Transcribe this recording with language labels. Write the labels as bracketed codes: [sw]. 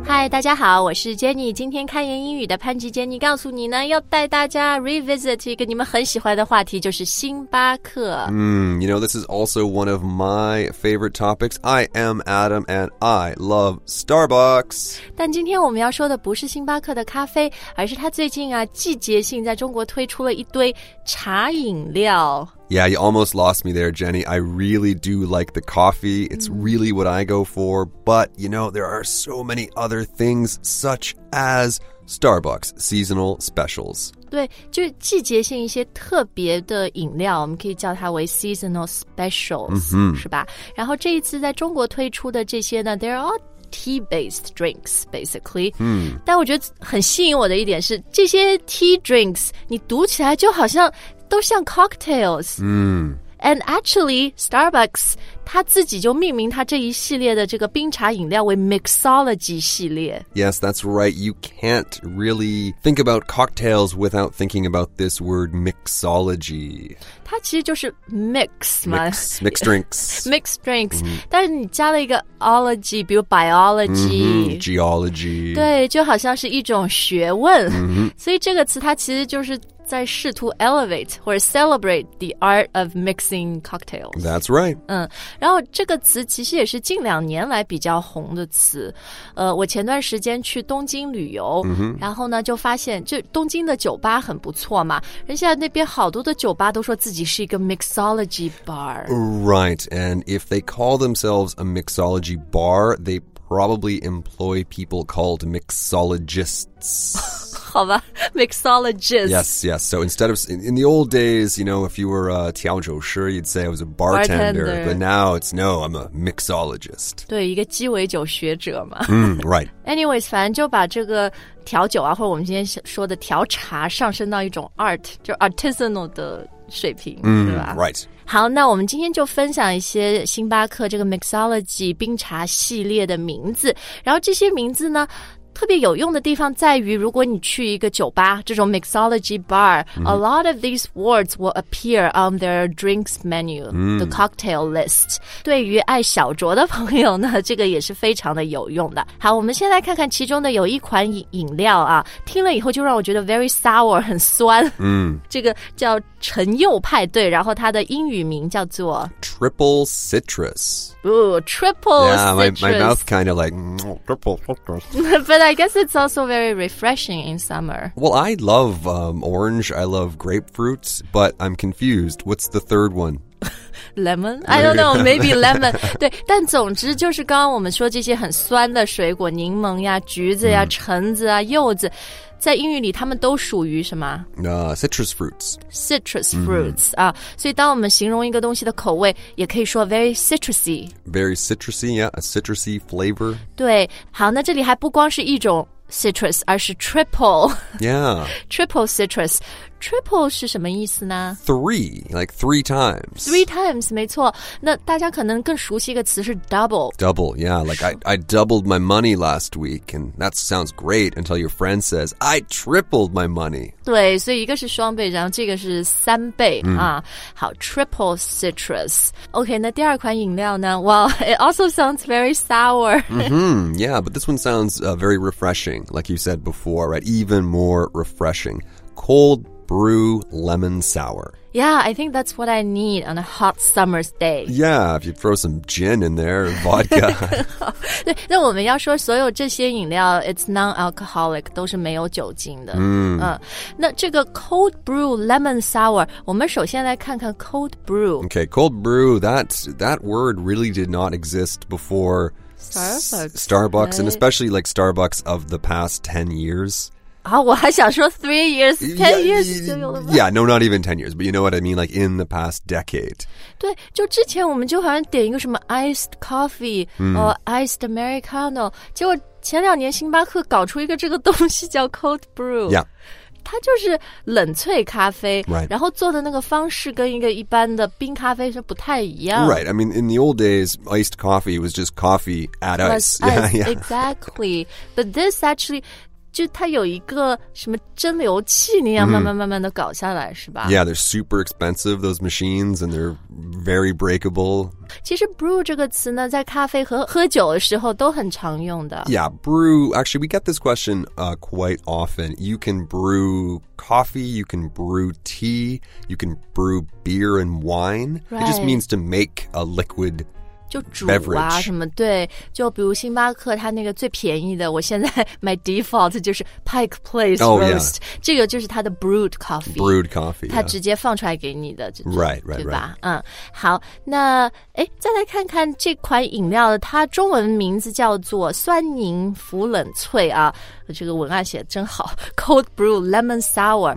[zh] 大家好，我是 Jenny。今天开言英语的潘吉 Jenny 告诉你呢，要带大家 revisit 一个你们很喜欢的话题，就是星巴克。 [en] You know, this is also one of my favorite topics. I am Adam and I love Starbucks. [zh] 但今天我们要说的不是星巴克的咖啡，而是它最近啊，季节性在中国推出了一堆茶饮料。 [en] Yeah, you almost lost me there, Jenny. I really do like the coffee. It's really what I go for. But, you know, there are so many other things, such as Starbucks seasonal specials. [zh] 对，就季节性一些特别的饮料，我们可以叫它为 [en] seasonal specials,、 mm-hmm. [zh] 是吧？然后这一次在中国推出的这些呢 , [en] they're all tea-based drinks, basically.、 Mm. [zh] 但我觉得很吸引我的一点是，这些 [en] tea drinks, [zh] 你读起来就好像都像 cocktails、 [en] And actually, [zh] Starbucks 它自己就命名它这一系列的这个冰茶饮料为 mixology 系列。 [en] Yes, that's right. You can't really think about cocktails without thinking about this word mixology. [zh] 它其实就是 mix 嘛 [en] mix drinks. mix drinks、 [zh] 但是你加了一个 ology, 比如 biology、 [en] geology. [zh] 对，就好像是一种学问、 mm-hmm. 所以这个词它其实就是在试图 elevate 或者 [en] celebrate the art of mixing cocktails. That's right. [zh] 然后这个词其实也是近两年来比较红的词。我前段时间去东京旅游、然后呢就发现就东京的酒吧很不错嘛，人家那边好多的酒吧都说自己是一个 mixology bar. [en] Right, and if they call themselves a mixology bar, they probably employ people called mixologists. [zh] 好吧 mixologist. [en] Yes, yes. So instead of, in the old days, you know, if you were a [zh] 调酒师, [en] you'd say I was a bartender. But now it's, no, I'm a mixologist. [zh] 对，一个鸡尾酒学者嘛。 [en] Right. [zh] Anyways, 反正就把这个调酒啊，或者我们今天说的调茶上升到一种 art, 就 artisanal 的水平，是吧？ [en] Right. [zh] 好，那我们今天就分享一些星巴克这个 mixology 冰茶系列的名字，然后这些名字呢特别有用的地方在于，如果你去一个酒吧，这种 mixology bar,、 [en] a lot of these words will appear on their drinks menu,、 the cocktail list. [zh] 对于爱小酌的朋友呢，这个也是非常的有用的。好，我们先来看看其中的有一款 饮料啊，听了以后就让我觉得 [en] very sour, [zh] 很酸。这个叫陈柚派对，然后它的英语名叫做 [en] Triple Citrus. Ooh, Triple yeah, Citrus. Yeah, my mouth kind of like, Triple Citrus. But I guess it's also very refreshing in summer. Well, I love orange, I love grapefruits, but I'm confused. What's the third one? Lemon? I don't know, maybe lemon. [zh] 对，但总之就是刚刚我们说这些很酸的水果，柠檬呀，橘子呀，橙子啊，柚子。在英语里他们都属于什么、 [en] citrus fruits. Citrus fruits.、 [zh] 所以当我们形容一个东西的口味也可以说 [en] very citrusy. Very citrusy, yeah, a citrusy flavor. [zh] 对，好，那这里还不光是一种 citrus, 而是 triple. [en] Yeah. Triple citrus. [zh] Triple 是什么意思呢？ [en] Three, like three times. Three times, [zh] 没错。那大家可能更熟悉一个词是 double. [en] Double, yeah, like I doubled my money last week, and that sounds great until your friend says, I tripled my money. [zh] 对，所以一个是双倍，然后这个是三倍、好 [en] triple citrus. [zh] OK, 那第二款饮料呢？ [en] Well, it also sounds very sour. Yeah, but this one sounds very refreshing, like you said before, right? Even more refreshing. Cold brew lemon sour. Yeah, I think that's what I need on a hot summer's day. Yeah, if you throw some gin in there, vodka. [zh] 对，那我们要说所有这些饮料 [en] it's non-alcoholic, [zh] 都是没有酒精的。那这个 [en] cold brew lemon sour, [zh] 我们首先来看看 cold brew. [en] Okay, cold brew, that word really did not exist before Starbucks, right? And especially like Starbucks of the past 10 years. [zh] 我还想说 3 years, 10 years 就有了吧。 [en] Yeah, no, not even 10 years, but you know what I mean, like in the past decade. [zh] 对，就之前我们就好像点一个什么 [en] iced coffee, or iced Americano, [zh] 结果前两年星巴克搞出一个这个东西叫 [en] cold brew. Yeah. [zh] 它就是冷萃咖啡、 [en] right. [zh] 然后做的那个方式跟一个一般的冰咖啡是不太一样。 [en] Right, I mean, in the old days, iced coffee was just coffee at ice. Yeah, yeah. Exactly. But this actually... [zh] 就它有一个什么蒸馏器那样慢慢慢慢的搞下来、mm-hmm. 是吧 [en] Yeah, they're super expensive, those machines, and they're very breakable. [zh] 其实 brew 这个词呢在咖啡和喝酒的时候都很常用的。 [en] Yeah, brew, actually we get this question、quite often. You can brew coffee, you can brew tea, you can brew beer and wine.、 Right. It just means to make a liquid beer. [zh] 就煮啊什么对就比如星巴克它那个最便宜的我现在买 default 就是 Pike Place Roast、 [en] oh, yeah. [zh] 这个就是它的 [en] brewed coffee brewed coffee [zh] 它直接放出来给你的、 [en] yeah. right right [zh] 对吧、 [en] right. [zh] 嗯好那哎再来看看这款饮料它中文名字叫做酸柠腐冷萃啊这个文案写真好 [en] cold brew lemon sour、